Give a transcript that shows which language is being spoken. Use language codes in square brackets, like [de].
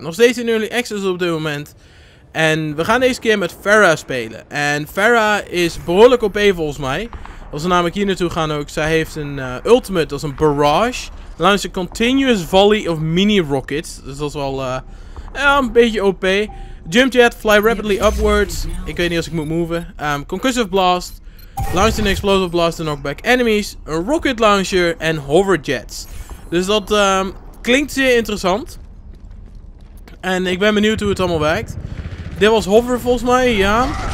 [nl] Nog steeds in Early Access op dit moment. En we gaan deze keer met Pharah spelen. En Pharah is behoorlijk OP volgens mij. Als we namelijk hier naartoe gaan ook. Zij heeft een ultimate, dat is een barrage. [en] Launch a continuous volley of mini rockets. [nl] Dus dat is wel een beetje OP. [en] Jump jet, fly rapidly upwards. [nl] Ik weet niet als ik moet moven. [en] Concussive blast. Launch an explosive blast to knock back enemies. [nl] Een rocket launcher en hover jets. Dus dat klinkt zeer interessant. En ik ben benieuwd hoe het allemaal werkt. Dit was hover volgens mij, ja.